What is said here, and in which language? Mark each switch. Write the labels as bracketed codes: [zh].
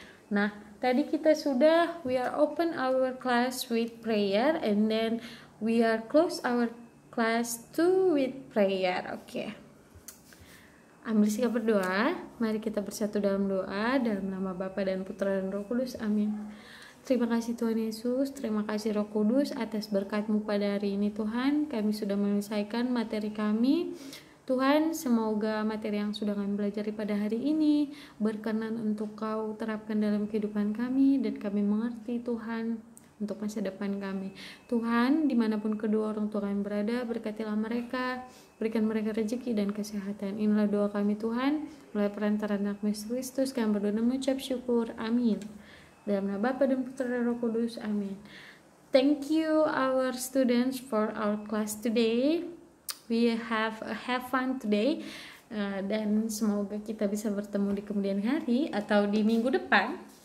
[id] Nah, tadi kita sudah, [en] we are open our class with prayer and then we are close our class 2 with prayer. [id] Oke. Ambil sikap berdoa. Mari kita bersatu dalam doa. Dalam nama Bapa dan Putra dan Roh Kudus. Amin. Terima kasih Tuhan Yesus. Terima kasih Roh Kudus atas berkat-Mu pada hari ini Tuhan. Kami sudah menyelesaikan materi kami. Tuhan, semoga materi yang sudah kami pelajari pada hari ini berkenan untuk Kau terapkan dalam kehidupan kami dan kami mengerti Tuhan untuk masa depan kami. Tuhan, dimanapun kedua orang tua kami berada, berkatilah mereka, berikan mereka rezeki dan kesehatan. Inilah doa kami Tuhan, melalui perantara anak Yesus Kristus, kami berdoa dan mengucap syukur. Amin. Dalam nama Bapa dan Putra dan Roh Kudus, amin. [en] Thank you our students for our class today. We have fun today. [id] Dan semoga kita bisa bertemu di kemudian hari atau di minggu depan.